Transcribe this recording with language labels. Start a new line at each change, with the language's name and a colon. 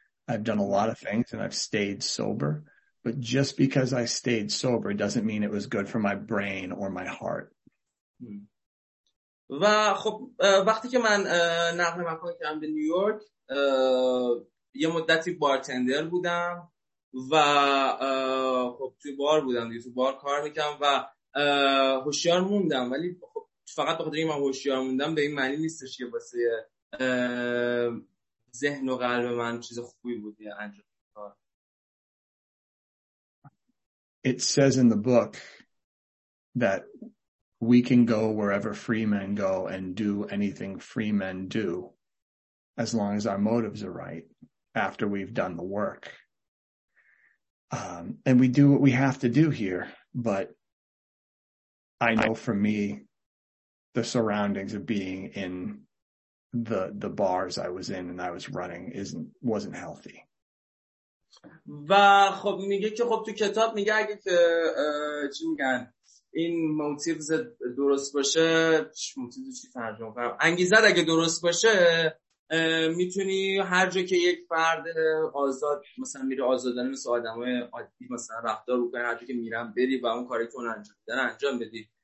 English: I've done a lot of things and I've stayed sober. But just because I stayed sober doesn't mean it was good for my brain or my heart.
Persian: و خب وقتی که من نقل مکان کردم به نیویورک، یه مدتی بارتندر بودم و خب توی بار بودم، توی بار کار میکردم و هوشیار موندم، ولی فقط بخاطر اینکه من هوشیار موندم به این معنی نیستش که واسه ذهن و قلب من چیز خوبی بود انجام کار.
English: It says in the book that we can go wherever free men go and do anything free men do as long as our motives are right after we've done the work. And we do what we have to do here, but I know for me the surroundings of being in the bars I was in and I was running wasn't healthy.
Persian: و خب میگه که خب تو کتاب میگه اگه که چی میگن این موتیوز درست باشه، موتیوز چی ترجمه کنم، انگیزه اگه درست باشه میتونی هر جا که یک فرد آزاد مثلا میره آزادانه مثل آدم های عادی مثلا رفتار رو کنه، هر جا که میرم بری و اون کاری که اون انجام دادن انجام بدی.